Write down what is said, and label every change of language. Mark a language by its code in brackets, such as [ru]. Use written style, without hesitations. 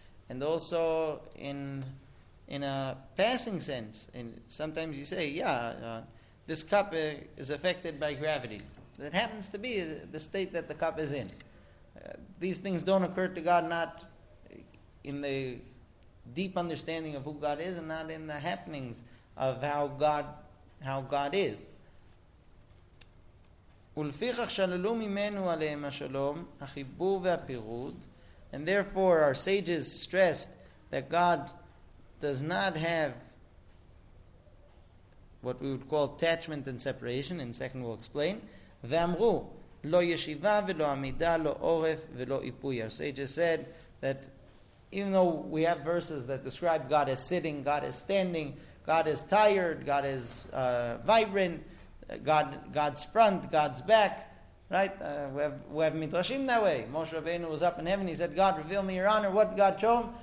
[en] And also in a passing sense, and sometimes you say, this cup is affected by gravity. That happens to be the state that the cup is in. These things don't occur to God, not in the deep understanding of who God is and not in the happenings of how God is. [he] ולפיכך שללו ממנו עליהם השלום, החיבור והפירוד. [en] And therefore, our sages stressed that God does not have what we would call attachment and separation, and second we'll explain. [he] ואמרו, לא ישיבה ולא עמידה, לא עורף ולא איפוי. [en] Our sages said that even though we have verses that describe God as sitting, God as standing, God is tired, God is vibrant, God's front, God's back, right? We have midrashim that way. Moshe Rabbeinu was up in heaven. He said, God, reveal me your honor. What did God show him?